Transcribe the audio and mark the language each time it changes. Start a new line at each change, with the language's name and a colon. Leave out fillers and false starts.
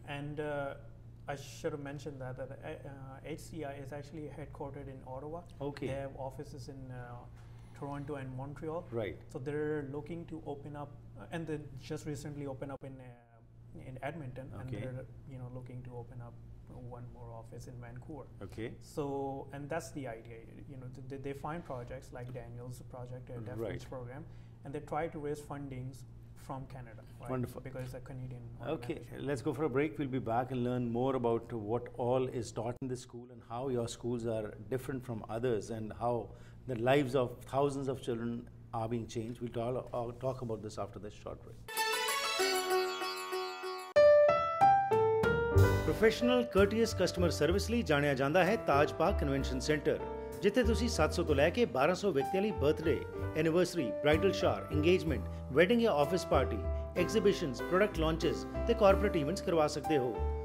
English: And I should mention that HCI is actually headquartered in Ottawa okay they have offices in Toronto and Montreal right so they are looking to open up and they just recently open up in Edmonton you know looking to open up one more office in Vancouver. Okay. So, and that's the idea. You know, they find projects like Daniel's project, a deaf reach program, and they try to raise fundings from Canada. Right? Wonderful. Because it's a Canadian. Okay, let's go for a break. We'll be back and learn more about what all is taught in the school and how your schools are different from others and how the lives of thousands of children are being changed. We'll talk about this after this short break.
Punjabi: Professional ਕਰਟੀਅਸ customer service ਲਈ ਜਾਣਿਆ ਜਾਂਦਾ ਹੈ ਤਾਜ ਪਾਕ convention centre ਜਿੱਥੇ ਤੁਸੀਂ 700 ਤੋਂ ਲੈ ਕੇ 1200 ਵਿਅਕਤੀਆਂ ਲਈ birthday anniversary bridal ਸ਼ਾਰ engagement wedding ਜਾਂ ਆਫਿਸ ਪਾਰਟੀ ਐਗਜ਼ੀਬਿਸ਼ਨਸ ਪ੍ਰੋਡਕਟ ਲਾਂਚਸ ਤੇ ਕਾਰਪੋਰੇਟ ਇਵੈਂਟਸ ਕਰਵਾ ਸਕਦੇ ਹੋ